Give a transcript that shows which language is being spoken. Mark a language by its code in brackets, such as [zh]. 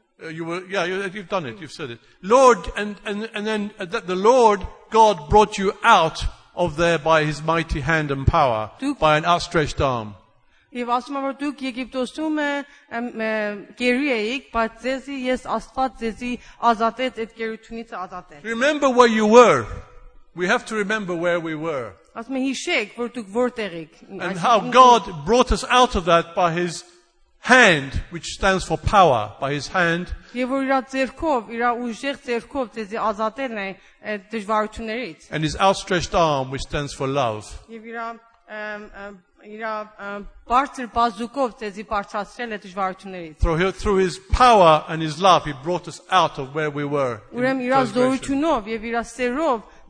[en] you've done it, you've said it. Lord, and then that the Lord God brought you out of there by his mighty hand and power, by an outstretched arm. [hy] Եվ ասում է, որ դուք Եգիպտոսում գերի էիք, բայց ձեզի ես Աստված ձեզի ազատեց այդ գերությունից ազատեց. [en] Remember where you were. We have to remember where we were. [hy] Ասում եմ, հիշեք, որ դուք որտեղ եք։ [en] And how God brought us out of that by his hand, which stands for power, by his hand. [hy] Եվ որ իր ձեռքով, իր ուժեղ ձեռքով ձեզի ազատել է այդ դժվարություններից։ [en] And his outstretched arm, which stands for love. [hy] Եվ իր իր բարձր բազուկով ձեզի բարձրացրել է դժվարություններից։ [en] Through his power and his love, he brought us out of where we were. [hy] Ուրեմն իր զորությունով եւ իր սերով